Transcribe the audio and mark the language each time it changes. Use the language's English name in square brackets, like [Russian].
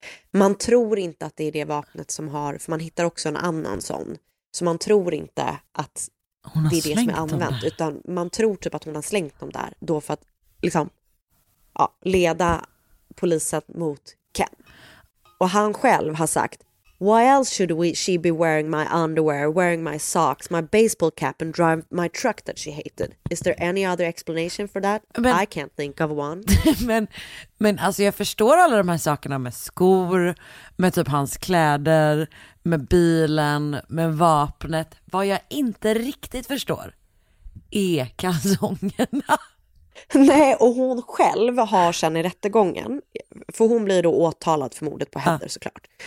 [Swedish] Man tror inte att det är det vapnet som har, för man hittar också en annan sån. Så man tror inte att det är det som är använt. Utan man tror typ att hon har slängt dem där. Då för att liksom leda polisen mot Ken. Och han själv har sagt, [English] why else should she be wearing my underwear, wearing my socks, my baseball cap and drive my truck that she hated? Is there any other explanation for that? Men, I can't think of one. [Swedish] Men alltså jag förstår alla de här sakerna med skor, med typ hans kläder, med bilen, med vapnet. Vad jag inte riktigt förstår är kalsongerna. Nej, och hon själv har sen i rättegången, för hon blir då åtalad för mordet på Heather såklart.